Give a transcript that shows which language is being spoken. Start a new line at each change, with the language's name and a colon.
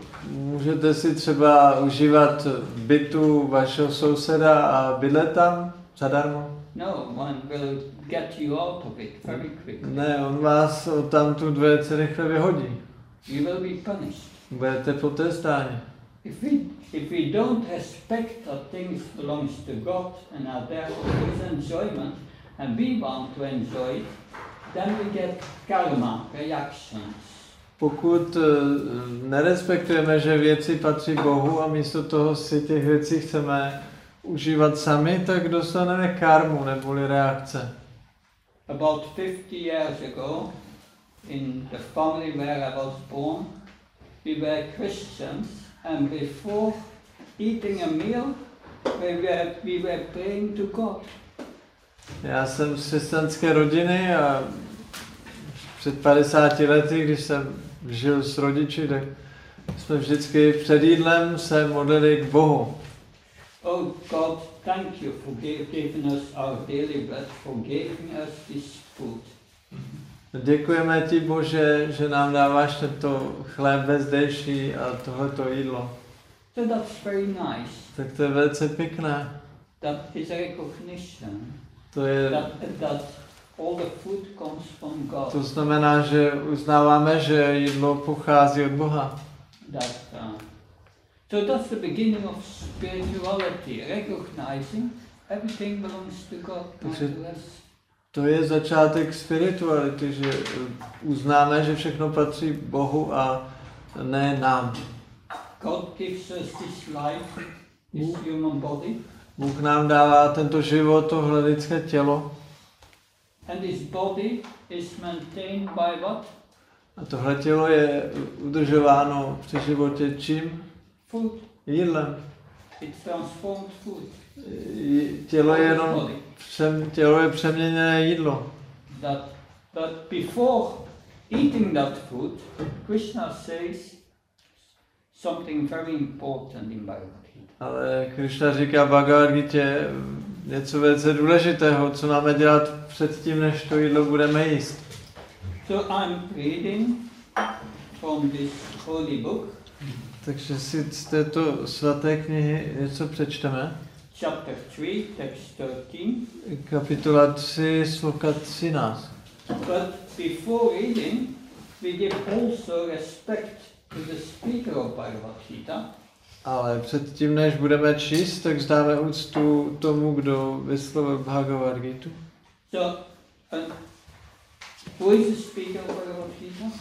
Czech: Můžete si třeba užívat bytu vašeho souseda a bydlet tam zadarmo?
English: No, one will get you out of it very quickly.
Czech: Ne, on vás odtamtud velice rychle vyhodí.
English: You will be punished.
Czech: Budete potrestáni.
English: If we don't respect that things belongs to God and are there for his enjoyment and we want to enjoy it, then we get karma, reactions.
Czech: Pokud nerespektujeme, že věci patří Bohu a místo toho si těch věcí chceme užívat sami, tak dostaneme karmu neboli reakce.
English: About 50 years ago, in the family where I was born, we were Christians and before eating a meal, we were praying to God.
Czech: Já jsem z křesťanské rodiny a před 50 lety, když jsem žil s rodiči, tak jsme vždycky před jídlem se modlili k Bohu.
English: Oh God, thank you for giving us our daily bread, for giving us this food.
Czech: Děkujeme ti, Bože, že nám dáváš tento chléb bezdejší a tohleto jídlo.
English: So that's very nice.
Czech: Tak to je velice pěkné.
English: That is a recognition.
Czech: To je
English: that all the food comes from God.
Czech: To znamená, že uznáváme, že jídlo pochází od Boha.
English: So that's the beginning of spirituality, recognizing everything belongs to God.
Czech: Takže to je začátek spirituality, že uznáme, že všechno patří Bohu a ne nám.
English: God gives us this life, this human body.
Czech: Bůh nám dává tento život, tohle lidské tělo.
English: And his body is maintained by what?
Czech: A tohle tělo je udržováno při životě čím?
English: Food.
Czech: Jídlem.
English: It's transformed food.
Czech: Tělo je přeměněné jídlo.
English: But before eating that food, Krishna says something very important in Bhagavad-gita.
Czech: Ale Krishna říká v Bhagavad-gitě něco velice důležitého, co máme dělat předtím, než to jídlo budeme jíst.
English: So I'm reading from this holy book.
Czech: Takže si z této svaté knihy něco přečteme.
English: Chapter 3, text 13.
Czech: Kapitola 3, sloka 13.
English: But before reading, we give also respect to the speaker of Bhagavad Gita.
Czech: Ale předtím, než budeme číst, tak zdáme úctu tomu, kdo vyslovil Bhagavad Gita.
English: So, who is the speaker of Bhagavad Gita?